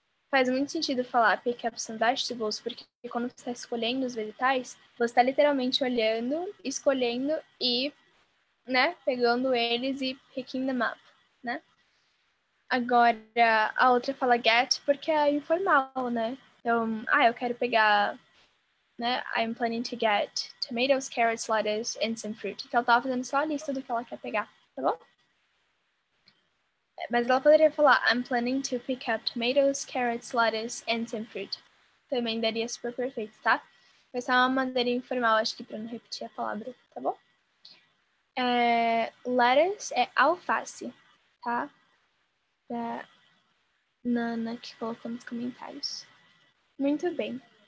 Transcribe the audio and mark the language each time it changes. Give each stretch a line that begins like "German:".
Portuguese: faz muito sentido falar
English: pick up some vegetables,
Portuguese: porque quando você está escolhendo os vegetais, você está literalmente olhando, escolhendo e, né, pegando eles e
English: picking them up,
Portuguese: né? Agora, a outra fala get, porque é informal, né? Então, ah, eu quero pegar, né,
English: I'm planning to get tomatoes, carrots, lettuce, and some fruit.
Portuguese: Então, ela estava fazendo só a lista do que ela quer pegar, tá bom? Mas ela poderia falar,
English: I'm planning to pick up tomatoes, carrots, lettuce, and some fruit.
Portuguese: Também daria super perfeito, tá? Mas é uma maneira informal, acho que, para não repetir a palavra, tá bom? É, lettuce é alface, tá? Da Nana, que colocou nos comentários. Muito bem.